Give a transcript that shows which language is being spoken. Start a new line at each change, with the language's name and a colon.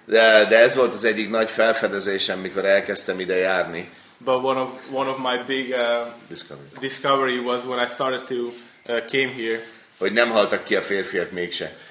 Hungarian: De ez volt az egyik nagy felfedezésem, mikor elkezdtem ide járni.
English: But one of my big discovery was when I started to came here.
Hungarian: Hogy nem haltak ki a férfiak mégse.